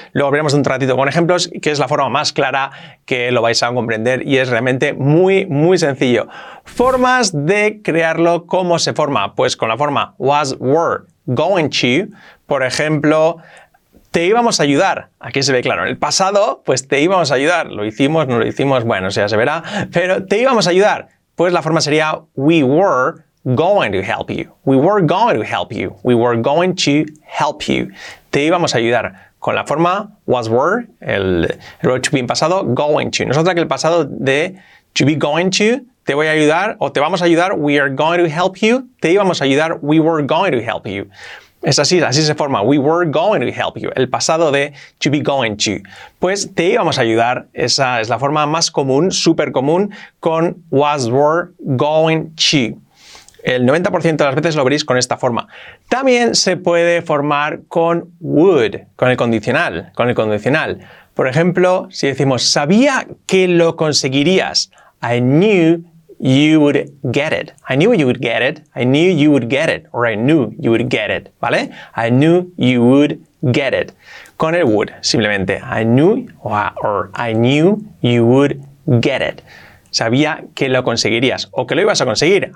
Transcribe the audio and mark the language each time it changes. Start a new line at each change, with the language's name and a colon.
Spanish: Luego veremos un ratito con ejemplos, que es la forma más clara que lo vais a comprender y es realmente muy, muy sencillo. Formas de crearlo, ¿cómo se forma? Pues con la forma was, were, going to. Por ejemplo, te íbamos a ayudar. Aquí se ve claro. En el pasado, pues te íbamos a ayudar. Lo hicimos, no lo hicimos, bueno, ya se verá. Pero te íbamos a ayudar. Pues la forma sería
English: we were going to help you. We were going to help you. We were going to help you.
Spanish: Te íbamos a ayudar. Con la forma was were, el verbo to be en pasado, going to. No es otra que el pasado de to be going to, te voy a ayudar, o te vamos a ayudar,
English: we are going to help you.
Spanish: Te íbamos a ayudar,
English: we were going to help you.
Spanish: Es así, así se forma.
English: We were going to help you.
Spanish: El pasado de to be going to. Pues te íbamos a ayudar. Esa es la forma más común, súper común, con was, were, going to. El 90% de las veces lo veréis con esta forma. También se puede formar con would, con el condicional. Con el condicional. Por ejemplo, si decimos sabía que lo conseguirías.
English: I knew you would get it. I knew you would get it. I knew you would get it. Or I knew you would get it. ¿Vale? I knew you would get it.
Spanish: Con el would, simplemente.
English: I knew or I knew you would get it.
Spanish: Sabía que lo conseguirías o que lo ibas a conseguir.